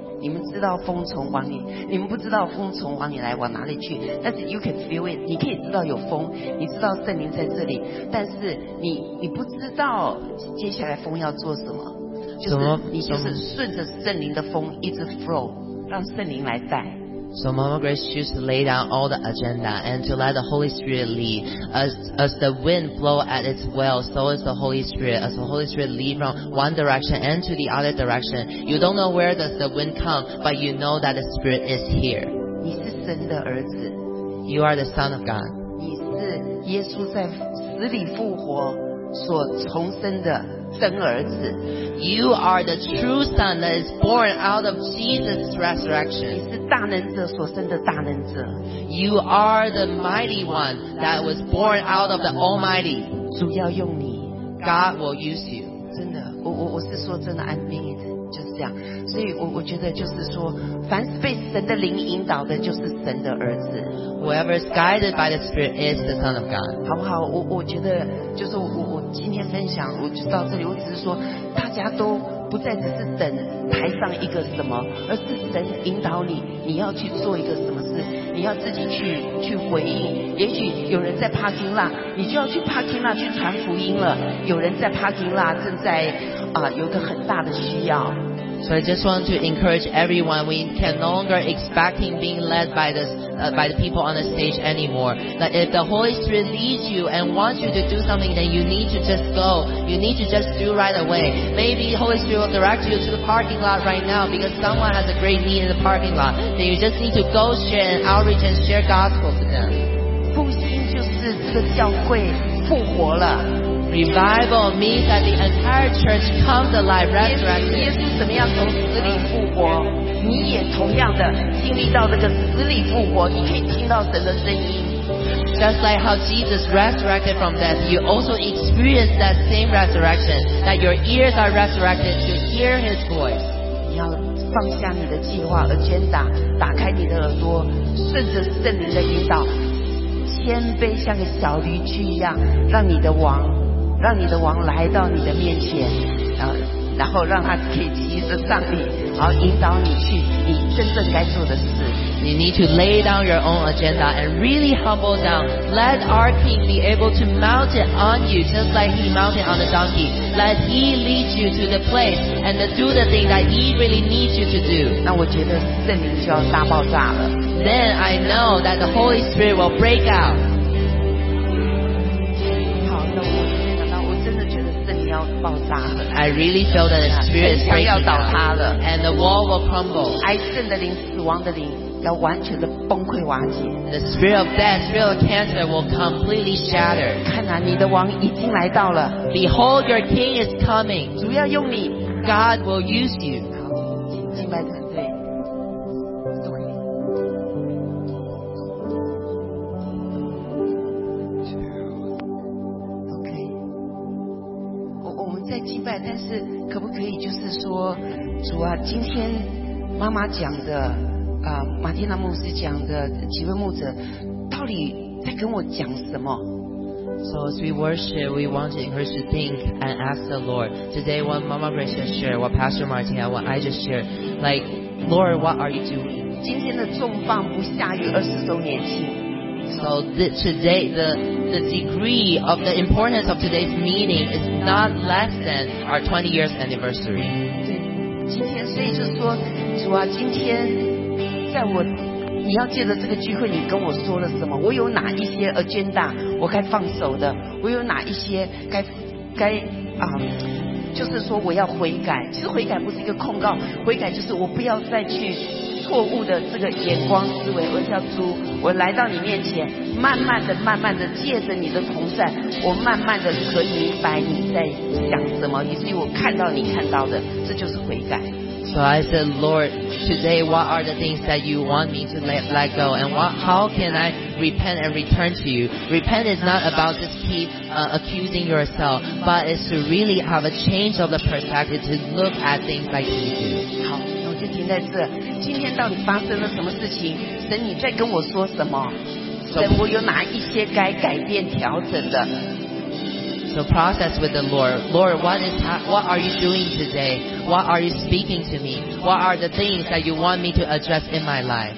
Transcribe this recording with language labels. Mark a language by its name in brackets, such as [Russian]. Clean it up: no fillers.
[Chinese] 你们知道风从往里，你们不知道风从往里来往哪里去，但是 [English] you can feel it， [Chinese] 你可以知道有风，你知道圣灵在这里，但是你不知道接下来风要做什么，就是你就是顺着圣灵的风一直 flow， 让圣灵来带。 [English] So Mama Grace choose to lay down all the agenda and to let the Holy Spirit lead. As the wind blow at its will, so is the Holy Spirit. As the Holy Spirit lead from one direction and to the other direction, you don't know where does the wind come, but you know that the Spirit is here. [Chinese] 你是神的儿子。 [English] You are the Son of God. [Chinese] 你是耶稣在死里复活所重生的真儿子。 [English] You are the true Son that is born out of Jesus' resurrection. [Chinese] 你是大能者所生的大能者。 [English] You are the mighty one that was born out of the Almighty. [Chinese] 主要用你。 [English] God will use you. [Chinese] 真的，我是说真的 ， [English] I mean it， [Chinese] 就是这样。所以我觉得就是说，凡是被神的灵引导的，就是神的儿子。 [English] Whoever is guided by the Spirit is the Son of God. [Chinese] 好不好？我觉得就是我今天分享，我就到这里。我只是说，大家都不再只是等台上一个什么，而是神引导你，你要去做一个什么事，你要自己去回应。也许有人在 parking lot， 你就要去 parking lot 去传福音了。有人在 parking lot 正在有个很大的需要。 [English] So I just want to encourage everyone, we can no longer expecting being led by the people on the stage anymore. That if the Holy Spirit leads you and wants you to do something, then you need to just go. You need to just do right away. Maybe the Holy Spirit will direct you to the parking lot right now because someone has a great need in the parking lot. Then you just need to go share an outreach and share gospel to them. [Chinese] 复兴就是这个教会复活了。 [English] Revival means that the entire church comes alive, resurrected. [Chinese] 耶稣怎么样从死里复活？你也同样的经历到这个死里复活，你可以听到神的声音。 [English] Just like how Jesus resurrected from death, you also experience that same resurrection. That your ears are resurrected to hear His voice. [Chinese] 你要放下你的计划 agenda， 打开你的耳朵，顺着圣灵的引导，谦卑像个小驴驹一样，让你的王，让你的王来到你的面前，然后让他可以骑着上你，然后引导你去你真正该做的事。 [English] You need to lay down your own agenda and really humble down. Let our king be able to mount it on you just like he mounted on the donkey. Let he lead you to the place and to do the thing that he really needs you to do. [Chinese] 那我觉得圣灵就要大爆炸了。 [English] Then I know that the Holy Spirit will break out. [Chinese] 好，那我今天讲到，我真的觉得圣灵要爆炸了。 [English] I really feel that the Spirit is breaking out. [Chinese] 城墙要倒塌了。 [English] And the wall will crumble. [Chinese] 癌症的灵，死亡的灵。要完全的崩溃瓦解。 [English] The spirit of death, spirit of cancer will completely shatter. [Chinese] 看啊，你的王已经来到了。 [English] Behold, your king is coming. [Chinese] 主要用你。 [English] God will use you. [Chinese] 请敬拜团队。 [English] Okay. [Chinese] 我们在敬拜，但是可不可以就是说，主啊，今天妈妈讲的。马蒂娜牧师讲的几位牧者到底在跟我讲什么？ [English] So as we worship, we want to encourage to think and ask the Lord. Today, what Mama Grace just shared, what Pastor Martin and what I just shared, like, Lord, what are you doing? [Chinese] 今天的重磅不下于二十周年庆。 [English] So today, the degree of the importance of today's meeting is not less than our 20 years anniversary. [Chinese] 对，今天所以就说，主啊，今天。在我，你要借着这个机会，你跟我说了什么？我有哪一些 agenda 我该放手的？我有哪一些该啊、就是说我要悔改。其实悔改不是一个控告，悔改就是我不要再去错误的这个眼光思维。我叫主，我来到你面前，慢慢的借着你的同在，我慢慢的可以明白你在想什么，以至于我看到你看到的，这就是悔改。 [English] So I said, Lord, today what are the things that you want me to let go? And how can I repent and return to you? Repent is not about just keep accusing yourself, but it's to really have a change of the perspective to look at things like you do. [Chinese] 好，我就停在这。今天到底发生了什么事情？神，你在跟我说什么？神，我有哪一些该改变调整的？ [English] So process with the Lord. Lord, what are you doing today? What are you speaking to me? What are the things that you want me to address in my life?